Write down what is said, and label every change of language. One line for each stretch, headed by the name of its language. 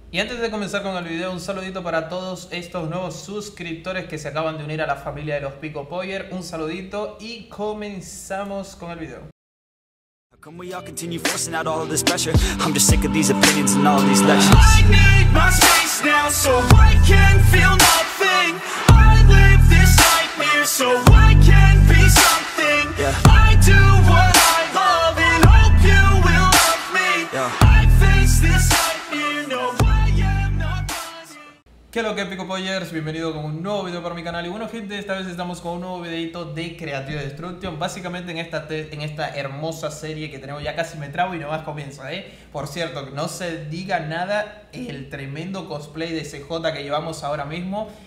Spanish: Y antes de comenzar con el video, un saludito para todos estos nuevos suscriptores que se acaban de unir a la familia de los Pico Poyer. Un saludito y comenzamos con el video.
English: Can we all continue forcing out all of this pressure? I'm just sick of these opinions and all of these lectures. I need my space now so I can feel nothing. I live this nightmare so I can be something. Yeah. I do what I love and hope you will love me. Yeah. I face this nightmare, no, I am not dying.
Spanish: ¿Qué es lo que, Pico Poyers? Bienvenido con un nuevo video para mi canal. Y bueno, gente, esta vez estamos con un nuevo videito de Creative Destruction. Básicamente en esta hermosa serie que tenemos, ya casi me trabo y no más comienza, ¿eh? Por cierto, no se diga nada el tremendo cosplay de CJ que llevamos ahora mismo.